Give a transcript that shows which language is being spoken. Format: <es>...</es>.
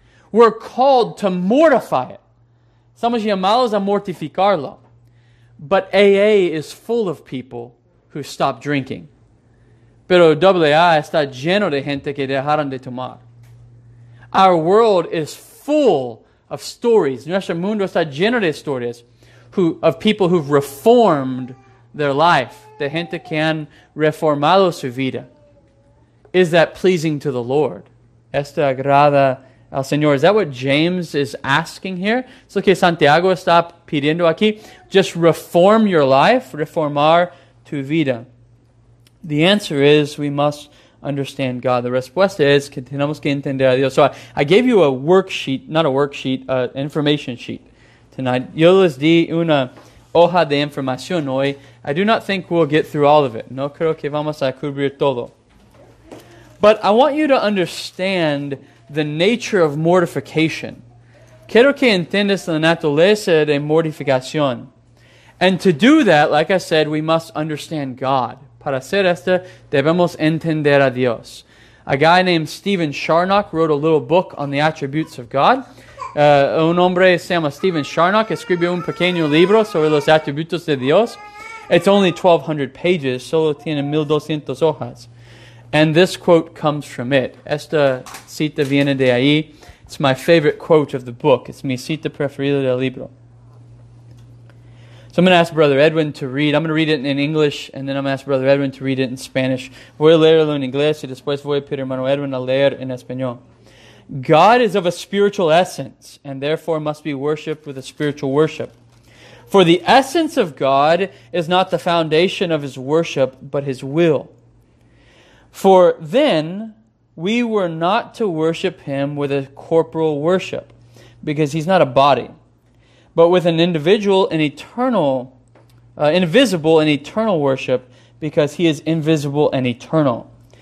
<en>We're called to mortify it.</en> <es>Estamos llamados a mortificarlo.</es> <en>But AA is full of people who stop drinking.</en> <es>Pero AA está lleno de gente que dejaron de tomar.</es> <en>Our world is full of stories.</en> <es>Nuestro mundo está lleno de historias</es> <en>of people who've reformed their life.</en> <es>De gente que han reformado su vida.</es> <en>Is that pleasing to the Lord?</en> <es>¿Esta agrada al Señor?</es> <en>Is that what James is asking here?</en> <es>¿Es lo que Santiago está pidiendo aquí?</es> <en>Just reform your life,</en> <es>reformar tu vida.</es> <en>The answer is we must understand God. The</en> <es>respuesta es que tenemos que entender a Dios.</es> <en>So I gave you a worksheet, not a worksheet, an information sheet tonight.</en> <es>Yo les di una hoja de información hoy.</es> <en>I do not think we'll get through all of it.</en> <es>No creo que vamos a cubrir todo.</es> <en>But I want you to understand the nature of mortification.</en> <es>Quiero que entiendas la naturaleza de mortificación.</es> <en>And to do that, like I said, we must understand God.</en> <es>Para hacer esto, debemos entender a Dios.</es> <en>A guy named Stephen Charnock wrote a little book on the attributes of God.</en> <es>Un hombre se llama Stephen Charnock, escribió un pequeño libro sobre los atributos de Dios.</es> <en>It's only 1,200 pages,</en> <es>solo tiene 1,200 hojas.</es> <en>And this quote comes from it.</en> <es>Esta cita viene de ahí.</es> <en>It's my favorite quote of the book. It's</en> <es>mi cita preferida del libro.</es> <en>So I'm going to ask Brother Edwin to read. I'm going to read it in English, and then I'm going to ask Brother Edwin to read it in Spanish.</en> <es>Voy a leerlo en inglés, y después voy a pedir hermano Edwin a leer en español.</es> <en>God is of a spiritual essence, and therefore must be worshipped with a spiritual worship. For the essence of God is not the foundation of His worship, but His will. For then we were not to worship Him with a corporal worship, because He's not a body, but with an individual and eternal, invisible and eternal worship, because He is invisible and eternal.</en>